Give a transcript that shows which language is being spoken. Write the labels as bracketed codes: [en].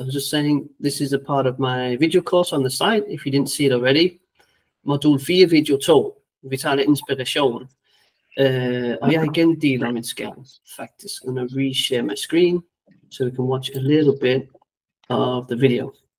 [en] I was just saying, this is a part of my video course on the site, if you didn't see it already. [da] Modul 4, video 2. Vi tager lidt inspiration. Og jeg igen deler min skærm, faktisk. [en] I'm gonna reshare my screen, so we can watch a little bit of the video.